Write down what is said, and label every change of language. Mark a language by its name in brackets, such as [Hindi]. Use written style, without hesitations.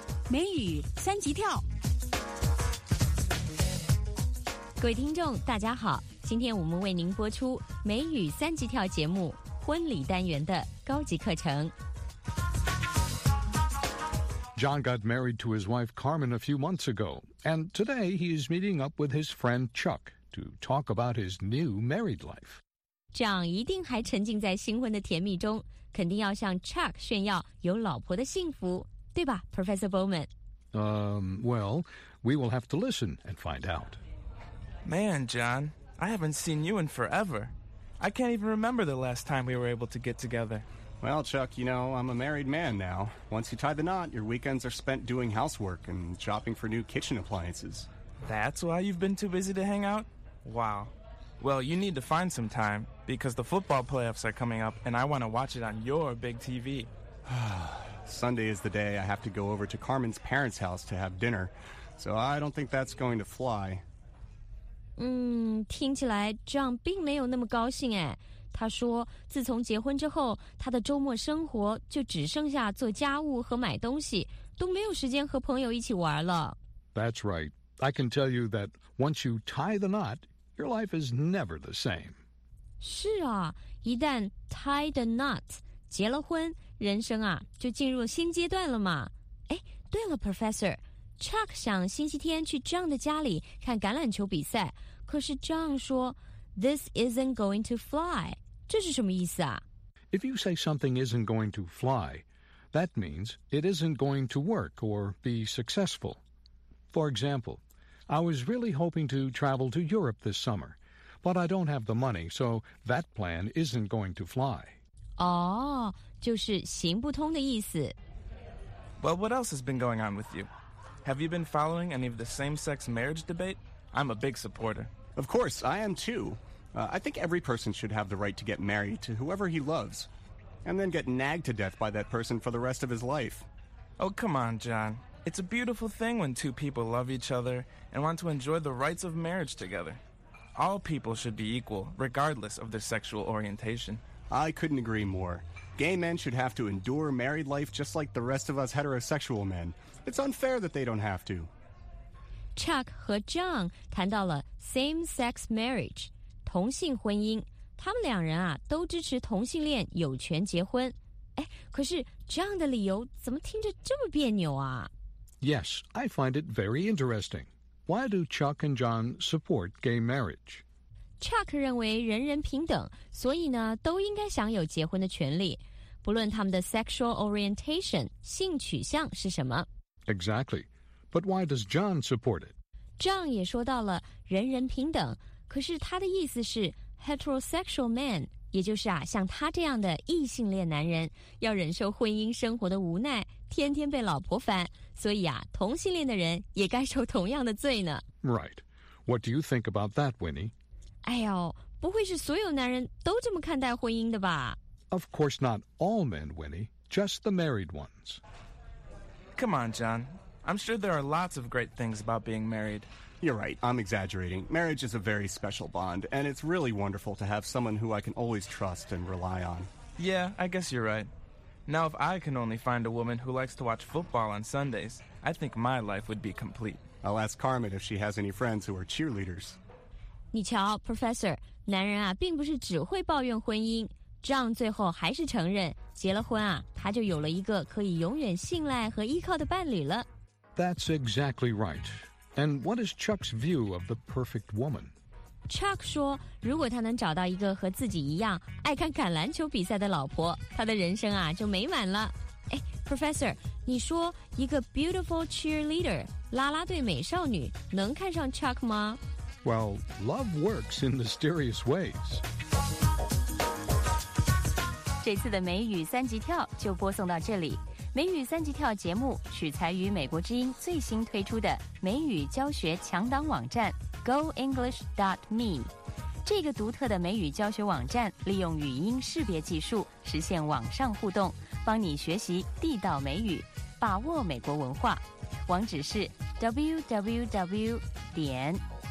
[Chinese] 美语三级跳，各位听众大家好，今天我们为您播出美语三级跳节目婚礼单元的高级课程。 [English] John got married to his wife Carmen a few months ago, and today he is meeting up with his friend Chuck to talk about his new married life. [Chinese] John 一定还沉浸在新婚的甜蜜中，肯定要向 Chuck 炫耀有老婆的幸福，对吧 Professor Bowman? [English] Well, we will have to listen and find out. Man, John, I haven't seen you in forever. I can't even remember the last time we were able to get together. Well, Chuck, you know, I'm a married man now. Once you tie the knot, your weekends are spent doing housework and shopping for new kitchen appliances. That's why you've been too busy to hang out? Wow. Well, you need to find some time, because the football playoffs are coming up, and I want to watch it on your big TV. Sunday is the day I have to go over to Carmen's parents' house to have dinner, so I don't think that's going to fly. [Chinese] 听起来 John 并没有那么高兴哎。他说自从结婚之后，他的周末生活就只剩下做家务和买东西，都没有时间和朋友一起玩了。 [English] That's right. I can tell you that once you tie the knot, your life is never the same. [Chinese] 是啊，一旦 [English] tie the knot, [Chinese] 结了婚，人生啊，就进入新阶段了嘛。哎，对了 ,Professor, Chuck 想星期天去 John 的家里看橄榄球比赛，可是 John 说 [English] This isn't going to fly. [Chinese] 这是什么意思啊? [English] If you say something isn't going to fly, that means it isn't going to work or be successful. For example, I was really hoping to travel to Europe this summer, but I don't have the money, so that plan isn't going to fly. [Chinese] 哦,就是行不通的意思。 [English] Well, what else has been going on with you? Have you been following any of the same-sex marriage debate? I'm a big supporter. Of course, I am too. I think every person should have the right to get married to whoever he loves, and then get nagged to death by that person for the rest of his life. Oh, come on, John. It's a beautiful thing when two people love each other and want to enjoy the rights of marriage together. All people should be equal, regardless of their sexual orientation. I couldn't agree more. Gay men should have to endure married life just like the rest of us heterosexual men. It's unfair that they don't have to. [Chinese] Chuck 和 John 谈到了 same-sex marriage, 同性婚姻。他们两人啊，都支持同性恋有权结婚。哎，可是 John 的理由怎么听着这么别扭啊 [English] ？Yes, I find it very interesting. Why do Chuck and John support gay marriage? [Chinese] Chuck 认为人人平等，所以呢，都应该享有结婚的权利，不论他们的 sexual orientation 性取向是什么。 [English] Exactly. But why does John support it? [Chinese] John 也说到了人人平等，可是他的意思是 heterosexual man, 也就是啊，像他这样的异性恋男人，要忍受婚姻生活的无奈，天天被老婆烦，所以啊，同性恋的人也该受同样的罪呢。 [English] Right. What do you think about that, Winnie? [Chinese] 哎呦，不会是所有男人都这么看待婚姻的吧？ [English] Of course not all men, Winnie. Just the married ones. Come on, John. I'm sure there are lots of great things about being married. You're right, I'm exaggerating. Marriage is a very special bond, and it's really wonderful to have someone who I can always trust and rely on. Yeah, I guess you're right. Now, if I can only find a woman who likes to watch football on Sundays, I think my life would be complete. I'll ask Carmen if she has any friends who are cheerleaders. [Chinese] 你瞧 ,Professor, 男人啊并不是只会抱怨婚姻。 John 最后还是承认结了婚啊他就有了一个可以永远信赖和依靠的伴侣了。 [English] That's exactly right. And what is Chuck's view of the perfect woman? [Chinese] Chuck 说，如果他能找到一个和自己一样爱看橄榄球比赛的老婆，他的人生啊就美满了。哎 ，Professor， 你说一个 [English] beautiful cheerleader [Chinese] 啦啦队美少女能看上 Chuck 吗 [English] ？Well, love works in mysterious ways. [Chinese] 这次的美语三级跳就播送到这里。美语三级跳节目取材于美国之音最新推出的美语教学强档网站 goenglish.me。这个独特的美语教学网站利用语音识别技术实现网上互动，帮你学习地道美语，把握美国文化。网址是 www.goenglish.me。